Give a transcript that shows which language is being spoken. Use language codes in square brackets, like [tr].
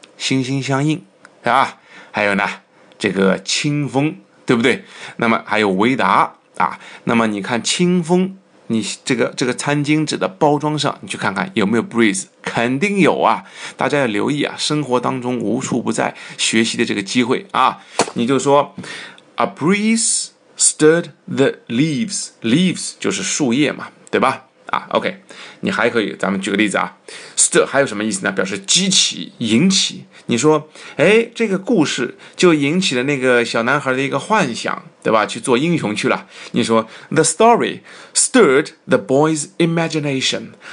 [zh] 心心相印啊，还有呢这个清风，对不对？那么还有维达啊，那么你看清风，你这个餐巾纸的包装上，你去看看有没有 breeze， 肯定有啊！大家要留意啊，生活当中无处不在学习的这个机会啊！你就说 ， [en] a breeze stirred the leaves， [zh] leaves 就是树叶嘛，对吧？啊 ，OK， 你还可以，咱们举个例子啊 ，stir 还有什么意思呢？表示激起、引起。你说，哎，这个故事就引起了那个小男孩的一个幻想，对吧？去做英雄去了。你说 [en] ，the story stirred the boy's imagination。